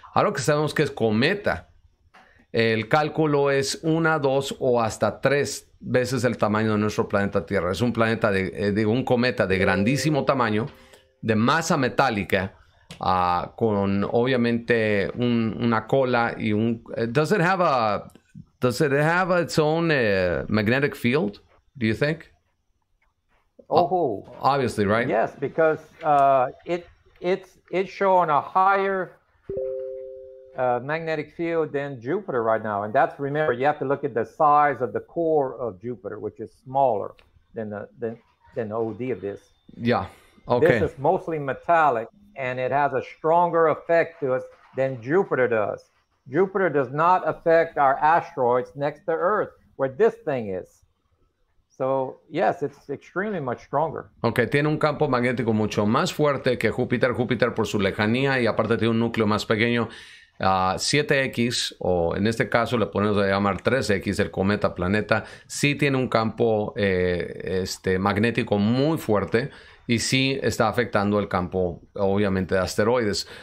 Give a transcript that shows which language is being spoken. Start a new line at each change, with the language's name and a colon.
Spanish: Ahora que sabemos que es cometa, el cálculo es 1, 2 o hasta 3 veces el tamaño de nuestro planeta Tierra. Es un planeta de, digo, un cometa de grandísimo tamaño, de masa metálica, con obviamente una cola y un...
English: Does it have its own magnetic field, do you think? Oh, obviously, right? Yes, because it's showing a higher magnetic field than Jupiter right now. And that's, remember, you have to look at the size of the core of Jupiter, which is smaller than the OD of this. Yeah, okay. This is mostly metallic, and it has a stronger effect to us than Jupiter does. Jupiter does not affect our asteroids next to Earth, where this thing is. So, yes, it's extremely much stronger.
Spanish: Okay, tiene un campo magnético mucho más fuerte que Júpiter. Júpiter, por su lejanía, y aparte tiene un núcleo más pequeño, 7X, o en este caso le ponemos a llamar 3X, el cometa planeta. Sí tiene un campo magnético muy fuerte, y sí está afectando el campo, obviamente, de asteroides.